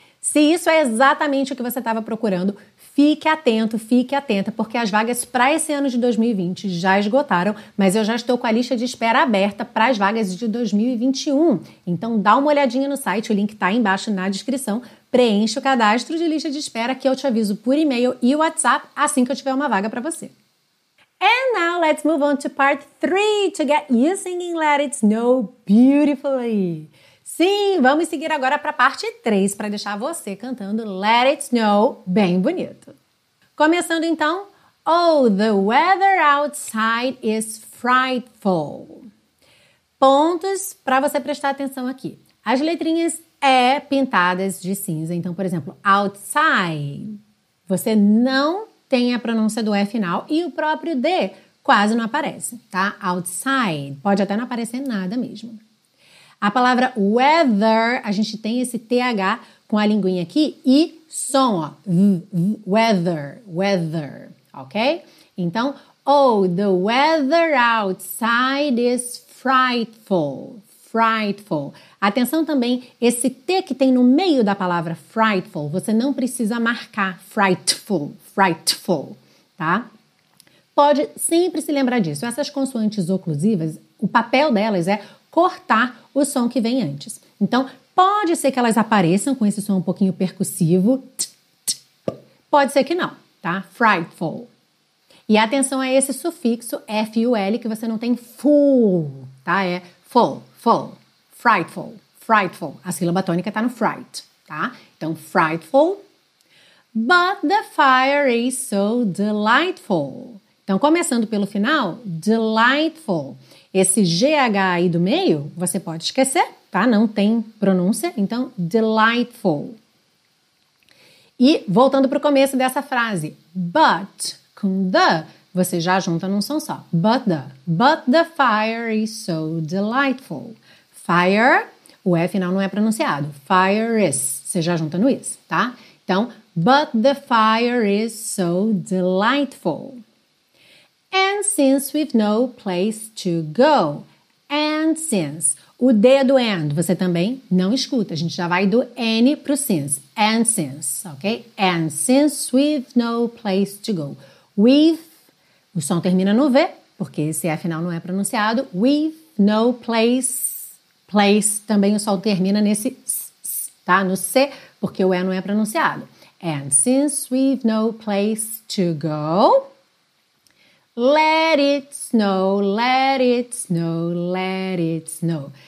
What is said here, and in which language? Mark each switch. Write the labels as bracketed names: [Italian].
[Portuguese] Se isso é exatamente o que você estava procurando, fique atento, fique atenta, porque as vagas para esse ano de 2020 já esgotaram, mas eu já estou com a lista de espera aberta para as vagas de 2021. Então dá uma olhadinha no site, o link está aí embaixo na descrição, preencha o cadastro de lista de espera que eu te aviso por e-mail e WhatsApp assim que eu tiver uma vaga para você. [English] And now let's move on to part 3 to get you singing Let It Snow beautifully. [Portuguese] Sim, vamos seguir agora para a parte 3, para deixar você cantando Let It Snow bem bonito. Começando então, [English] oh, the weather outside is frightful. [Portuguese] Pontos para você prestar atenção aqui. As letrinhas E pintadas de cinza. Então, por exemplo, outside. Você não tem a pronúncia do E final e o próprio D quase não aparece, tá? Outside. Pode até não aparecer nada mesmo. A palavra weather, a gente tem esse TH com a linguinha aqui e som, ó, weather, weather, ok? [English] Então, oh, the weather outside is frightful, frightful. [Portuguese] Atenção também, esse T que tem no meio da palavra frightful, você não precisa marcar frightful, frightful, tá? Pode sempre se lembrar disso, essas consoantes oclusivas, o papel delas é cortar o som que vem antes. Então, pode ser que elas apareçam com esse som um pouquinho percussivo. T, t, pode ser que não, tá? Frightful. E atenção a esse sufixo F-U-L que você não tem full, tá? É full, full, frightful, frightful. A sílaba tônica tá no fright, tá? Então, frightful. [English] But the fire is so delightful. [Portuguese] Então, começando pelo final, delightful. Esse GH aí do meio, você pode esquecer, tá? Não tem pronúncia. Então, delightful. E voltando para o começo dessa frase, but, com the, você já junta num som só. [English] But the fire is so delightful. [Portuguese] Fire, o F final não é pronunciado. Fire is, você já junta no is, tá? [English] Então, but the fire is so delightful. And since we've no place to go. And since. [Portuguese] O D do and, você também não escuta. A gente já vai do N pro since. And since, ok? [English] And since we've no place to go. [Portuguese] We've, o som termina no V, porque esse F final não é pronunciado. [English] We've no place. [Portuguese] Place, também o som termina nesse S, tá? No C, porque o E não é pronunciado. [English] And since we've no place to go. Let it snow, let it snow, let it snow.